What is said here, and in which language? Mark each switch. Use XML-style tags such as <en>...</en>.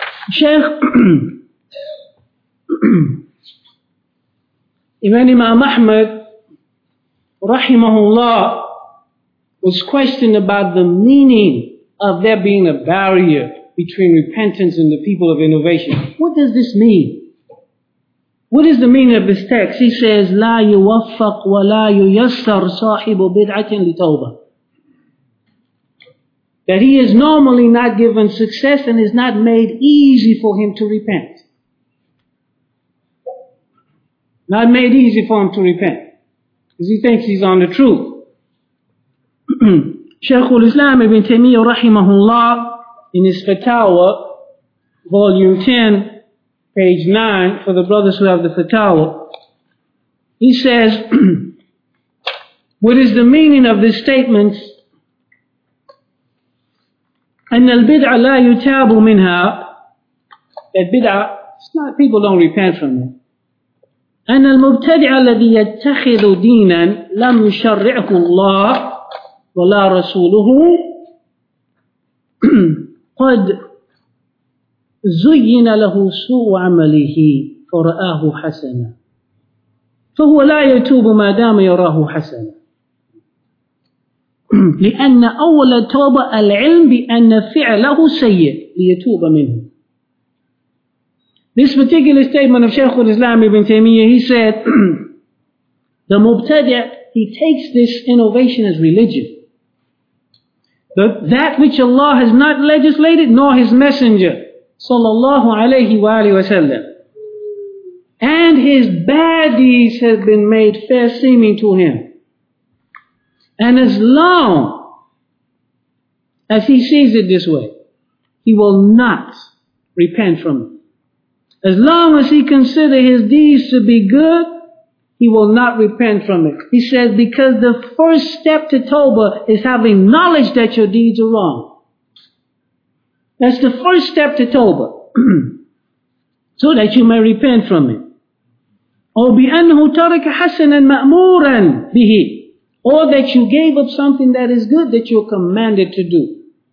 <en>Shaykh Ibn Imam Ahmad rahimahullah was questioned about the meaning of there being a barrier between repentance and the people of innovation. What does this mean? What is the meaning of this text? He says,</en> <ar>لا يوفق ولا ييسر صاحب بدعة لتوبة.</ar> <en>That he is normally not given success and is not made easy for him to repent. Not made easy for him to repent. Because he thinks he's on the truth. Shaykh al-Islam ibn Taymiyyah rahimahullah in his fatawa, volume 10, page 9, for the brothers who have the fatawa, he says, what is the meaning of this statement?</en> <ar>أَنَّ الْبِدْعَ لَا يُتَابُ مِنْهَا.</ar> <en>That bid'ah, it's not, people don't repent from it.</en> <ar>أَنَّ الْمُبْتَدِعَ الَّذِي يَتَّخِذُ دِينًا لَمْ يُشَرِّعْكُ اللَّهُ وَلَا رَسُولُهُ قَدْ زُيِّنَ لَهُ سُوءُ عَمَلِهِ فَرَآهُ حَسَنًا فَهُوَ لَا يَتُوبُ مَا دَامَ يَرَاهُ حَسَنًا لأن أول توبة العلم بأن فعله سيء ليتوب منه.</ar> <en>This particular statement of Shaykh al-Islam ibn Taymiyyah, he said, the Mubtadi, he takes this innovation as religion. That which Allah has not legislated, nor His Messenger, sallallahu alayhi wa alayhi wa sallam. And his bad deeds have been made fair seeming to him. And as long as he sees it this way, he will not repent from it. As long as he considers his deeds to be good, he will not repent from it. He says, because the first step to Tawbah is having knowledge that your deeds are wrong. That's the first step to Tawbah. So that you may repent from it.</en> <ar>أو بأنه ترك حسنا مأمورا به.</ar> <en>Or that you gave up something that is good that you're commanded to do.</en>